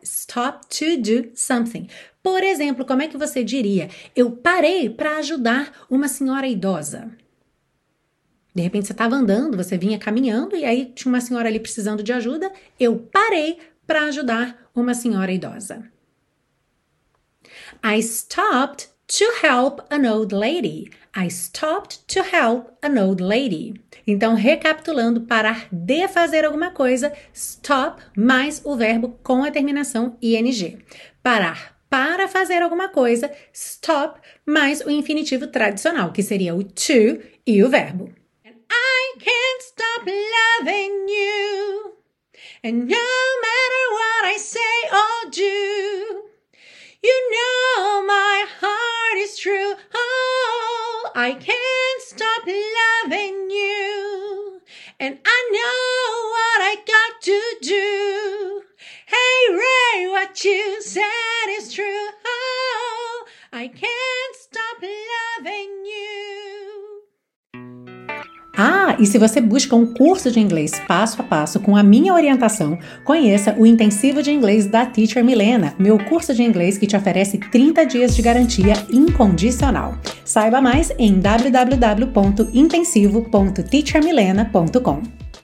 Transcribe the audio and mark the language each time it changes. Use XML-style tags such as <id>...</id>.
<en>Stop to do something.</en> <pt>Por exemplo, como é que você diria, eu parei para ajudar uma senhora idosa? De repente você estava andando, você vinha caminhando e aí tinha uma senhora ali precisando de ajuda. Eu parei para ajudar uma senhora idosa.</pt> <en>I stopped to help an old lady. I stopped to help an old lady.</en> <pt>Então, recapitulando, parar de fazer alguma coisa, stop mais o verbo com a terminação ing. Parar para fazer alguma coisa, stop mais o infinitivo tradicional, que seria o to e o verbo.</pt> <en>Can't stop loving you, and no matter what I say or do, you know my heart is true, oh, I can't stop loving you, and I know what I got to do, hey Ray, what you said is true, oh, I can't stop loving you.</en> <pt>Ah, e se você busca um curso de inglês passo a passo com a minha orientação, conheça o Intensivo de Inglês da Teacher Milena, meu curso de inglês que te oferece 30 dias de garantia incondicional. Saiba mais em www.intensivo.teachermilena.com.</pt>